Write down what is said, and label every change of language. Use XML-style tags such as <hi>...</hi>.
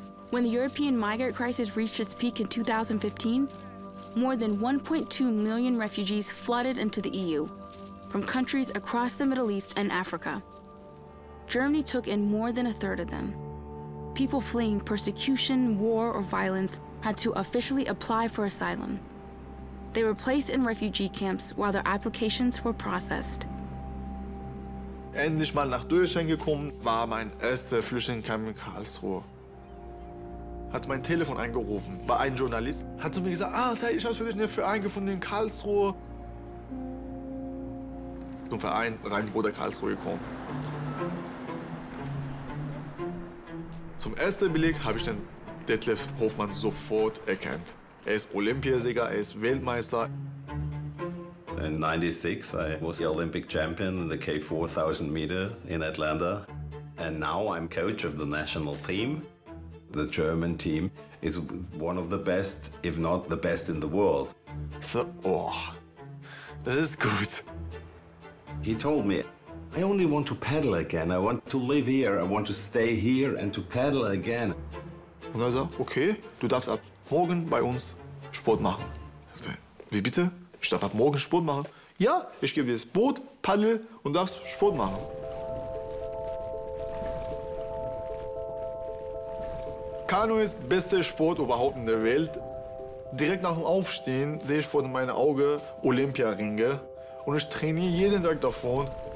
<en>When the European migrant crisis reached its peak in 2015, more than 1.2 million refugees flooded into the EU from countries across the Middle East and Africa. Germany took in more than a third of them. People fleeing persecution, war, or violence had to officially apply for asylum. They were placed in refugee camps while their applications were processed.</en> <de>Endlich mal nach Deutschland gekommen, war mein erster Flüchtlingscamp in Karlsruhe. Hat mein Telefon angerufen, war ein Journalist, hat zu mir gesagt, ah, sei, ich habe für dich einen Verein gefunden in Karlsruhe. Zum Verein Rheinbruder Karlsruhe gekommen. Zum ersten Blick habe ich den Detlef Hofmann sofort erkannt. Er ist Olympiasieger, er ist Weltmeister.</de> <en>In 96, I was the Olympic champion in the K4000 meter in Atlanta. And now I'm coach of the national team. The German team is one of the best, if not the best in the world. So, oh, that is good. He told me, I only want to pedal again. I want to live here. I want to stay here and to pedal again.</en> <de>Und er sagt, okay, du darfst ab morgen bei uns Sport machen. Ich sag, wie bitte? Ich darf ab morgen Sport machen? Ja, ich gebe dir das Boot, paddel und darfst Sport machen. Kanu ist der beste Sport überhaupt in der Welt. Direkt nach dem Aufstehen sehe ich vor meinen Augen Olympiaringe und ich trainiere jeden Tag davon.</de>